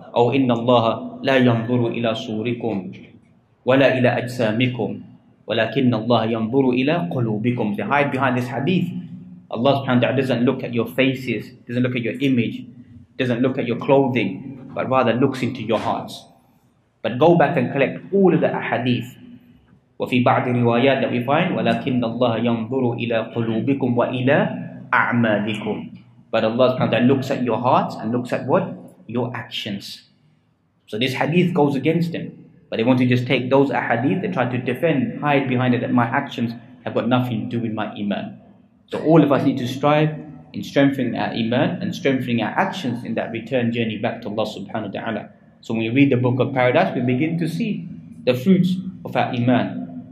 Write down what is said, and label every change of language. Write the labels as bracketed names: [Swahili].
[Arabic] أَوْ إِنَّ اللَّهَ لَا يَنْظُرُ إِلَى صُورِكُمْ وَلَا إِلَى أَجْسَامِكُمْ وَلَكِنَّ اللَّهَ يَنْظُرُ إِلَى قُلُوبِكُمْ. [English] They hide behind this hadith. Allah subhanahu wa ta'ala doesn't look at your faces, doesn't look at your image, doesn't look at your clothing, but rather looks into your hearts. But go back and collect all of the ahadith. [Arabic] وَفِي بَعْدِ الرِّوَايَاتِ [English] that we find, [Arabic] وَلَكِنَّ اللَّهَ يَنْظُرُ إِلَى قُلُوبِكُمْ وَإِلَى أَعْمَالِكُمْ. [English] But Allah subhanahu wa ta'ala looks at your hearts and looks at what? Your actions. So this hadith goes against them. But they want to just take those ahadith, they try to defend, hide behind it, that my actions have got nothing to do with my iman. So all of us need to strive in strengthening our iman and strengthening our actions in that return journey back to Allah subhanahu wa ta'ala. So when we read the book of paradise, we begin to see the fruits of our iman.